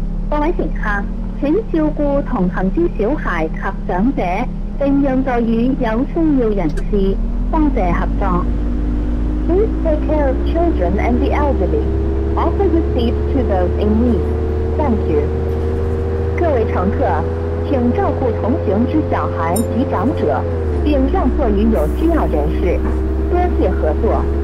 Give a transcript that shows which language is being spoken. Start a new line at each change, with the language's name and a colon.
Chinese: 各位乘客，请照顾同行之小孩及长者，并让座与有需要人士，多谢合作。
English: Please take care of children and the elderly. Offer your seat to those in need. Thank you.
Chinese: 各位乘客，请照顾同行之小孩及长者，并让座与有需要人士，多谢合作。